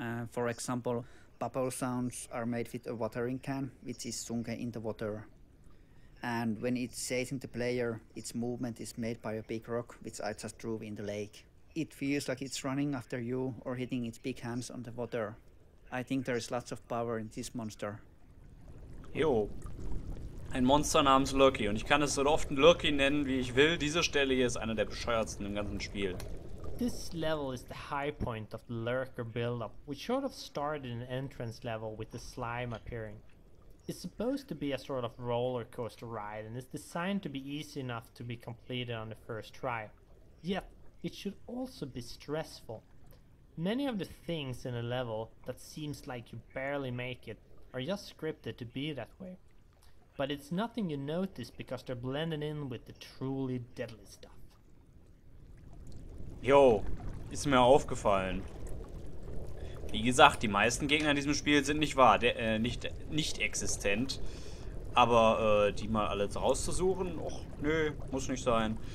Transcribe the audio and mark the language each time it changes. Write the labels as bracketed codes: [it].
[en] For example, bubble sounds are made with a watering can, which is sunken in the water. And when it's chasing the player, its movement is made by a big rock, which I just drew in the lake. It feels like it's running after you or hitting its big hands on the water. I think there is lots of power in this monster. [de] Jo. Ein Monster namens Lurky. Und ich kann es so oft Lurky nennen, wie ich will. Diese Stelle hier ist eine der bescheuertsten im ganzen Spiel. [en] This level is the high point of the Lurker build-up, which should have started in an entrance level with the slime appearing. It's supposed to be a sort of roller coaster ride and is designed to be easy enough to be completed on the first try. Yep. It should also be stressful. Many of the things in a level that seems like you barely make it are just scripted to be that way. But it's nothing you notice because they're blending in with the truly deadly stuff. [de] Yo, ist mir aufgefallen. Wie gesagt, die meisten Gegner in diesem Spiel sind nicht wahr, nicht existent. Aber die mal alle rauszusuchen, och, nö, muss nicht sein.